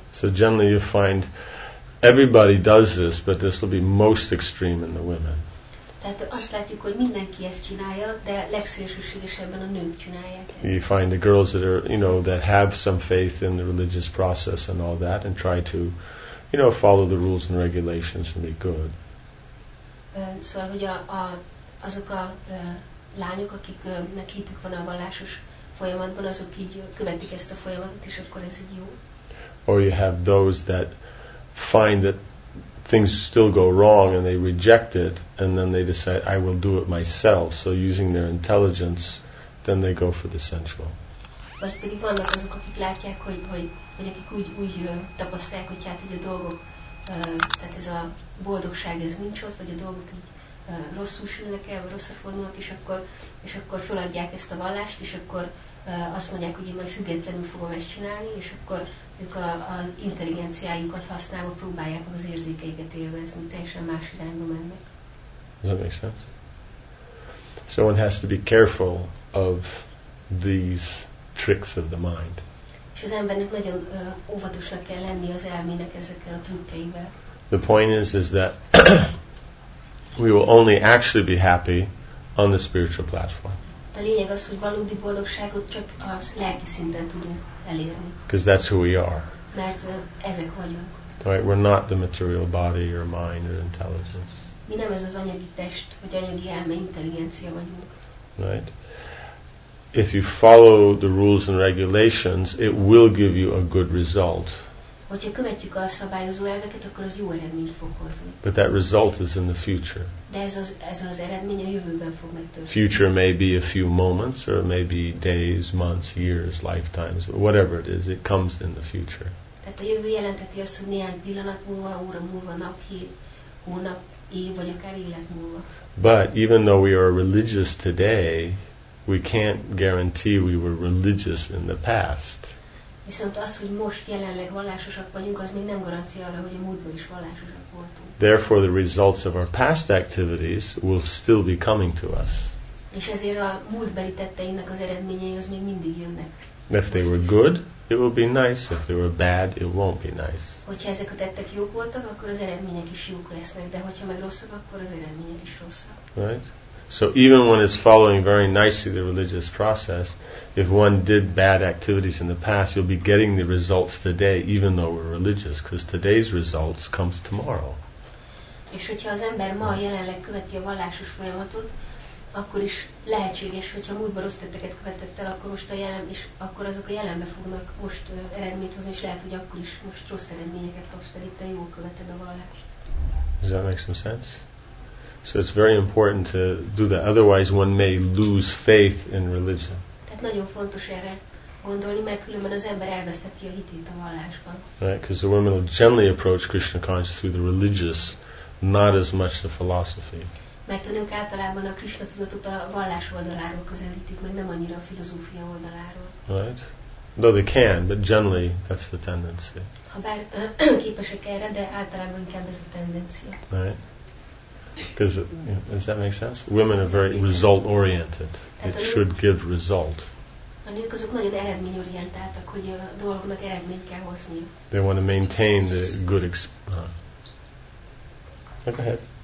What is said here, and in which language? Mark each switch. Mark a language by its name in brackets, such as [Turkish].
[English] So generally you find everybody does this, but this will be most extreme in the women. [Hungarian] Tehát azt látjuk, hogy mindenki ezt csinálja, de legszélsőségesebben a nők csinálják ezt. [English] You find the girls that are, you know, that have some faith in the religious process and all that, and try to, you know, follow the rules and regulations and be good. [Hungarian] Szóval, hogy a azok a lányok, akiknek hitük van a vallásos folyamatban, azok így követik ezt a folyamatot, és akkor ez így jó. [English] Or you have those that find that things still go wrong and they reject it, and then they decide, I will do it myself. So using their intelligence, then they go for the sensual. [Hungarian] Vagy pedig vannak azok, akik látják, hogy, hogy akik úgy tapasztalják, hogy hát így a dolgok, tehát ez a boldogság, ez nincs ott, vagy a dolgok így rosszul sülnek el, vagy rosszra fordulnak, és akkor feladják ezt a vallást, és akkor azt mondják, hogy én majd függetlenül fogom ezt csinálni, és akkor ők az intelligenciájukat használva próbálják meg az érzékeiket élvezni, teljesen más irányba mennek. [English] Does that make sense? So one has to be careful of these tricks of the mind. [Hungarian] És az embernek nagyon óvatosnak kell lenni az elmének ezekkel a trükkeivel. [English] The point is that we will only actually be happy on the spiritual platform. [Hungarian] A lényeg az, hogy valódi boldogságot csak a lelki szinten tudunk elérni. [English] Because that's who we are. [Hungarian] Mert ezek vagyunk. [English] Right, we're not the material body or mind or intelligence. [Hungarian] Mi nem ez az anyagi test, vagy anyagi elme, intelligencia vagyunk. [English] Right. If you follow the rules and regulations, it will give you a good result. [Hungarian] Hogyha követjük a szabályozó elveket, akkor az jó eredményt fog hozni. [English] But that result is in the future. [Hungarian] De ez az eredmény a jövőben fog megtörténni. [English] Future may be a few moments, or it may be days, months, years, lifetimes, whatever it is, it comes in the future. [Hungarian] Tehát a jövő jelenteti azt, hogy néhány pillanat múlva, óra múlva, nap, hét, hónap, év, vagy akár élet múlva. [English] But even though we are religious today, we can't guarantee we were religious in the past. [Hungarian] Viszont az, hogy most jelenleg vallásosak vagyunk, az még nem garancia arra, hogy a múltban is vallásosak voltunk. [English] Therefore the results of our past activities will still be coming to us. [Hungarian] És ezért a múltbeli tetteinknek az eredményei az még mindig jönnek. [English] If they were good, it will be nice. If they were bad, it won't be nice. [Hungarian] Hogyha ezek a tettek jók voltak, akkor az eredmények is jók lesznek, de hogyha meg rosszak, akkor az eredmények is rosszak. [English] Right? So even when it's following very nicely the religious process, if one did bad activities in the past, you'll be getting the results today, even though we're religious, because today's results comes tomorrow. [Hungarian] És hogyha az ember ma jelenleg követi a vallásos folyamatot, akkor is lehetséges, hogyha múltban rossz tetteket követett el, akkor most a jelen, és akkor azok a jelenbe fognak most eredményt hozni, és lehet, hogy akkor is most rossz eredményeket kapsz, pedig te jól követed a vallást. [English] Does that make some sense? So it's very important to do that. Otherwise, one may lose faith in religion. [Hungarian] Tehát nagyon fontos erre gondolni, mert különben az ember elvesztheti a hitét a vallásban. [English] Right, because the women will generally approach Krishna consciousness through the religious, not as much the philosophy. [Hungarian] Mert a nők általában a Krishna tudatot a vallás oldaláról közelítik, meg nem annyira a filozófia oldaláról. [English] Right. Though they can, but generally that's the tendency. [Hungarian] Ha bár képesek erre, de általában inkább ez a tendencia. [English] Right. Because, you know, does that make sense? Women are very result-oriented. It should give result. [Hungarian] A nők azok nagyon eredményorientáltak, hogy a dolgoknak eredményt kell hozni. [English] They want to maintain the good go ahead.